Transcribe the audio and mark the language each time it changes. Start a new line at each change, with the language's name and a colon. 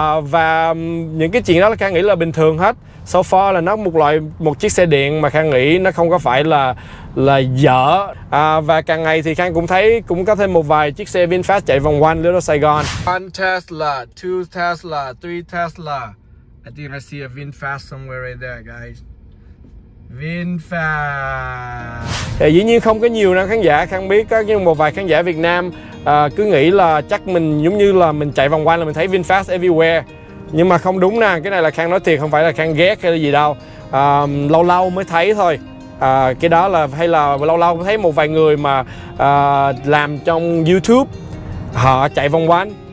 Vietnamese: Và những cái chuyện đó là Khang nghĩ là bình thường hết.
English: So far
Vietnamese: là nó một chiếc xe điện mà Khang nghĩ nó không có phải là dở. Và càng ngày thì Khang cũng thấy cũng có thêm một vài chiếc xe VinFast chạy vòng quanh Little Sài Gòn.
English: 1 Tesla, 2 Tesla, 3 Tesla. I think I see a VinFast somewhere right there, guys. VinFast.
Vietnamese: Dĩ nhiên không có nhiều năng khán giả Khang biết, nhưng một vài khán giả Việt Nam cứ nghĩ là chắc mình giống như là mình chạy vòng quanh là mình thấy VinFast
English: everywhere.
Vietnamese: Nhưng mà không đúng nè, cái này là Khang nói thiệt, không phải là Khang ghét hay là gì đâu. Lâu lâu mới thấy thôi. Cái đó là, hay là lâu lâu mới thấy một vài người mà làm trong YouTube họ chạy vòng quanh.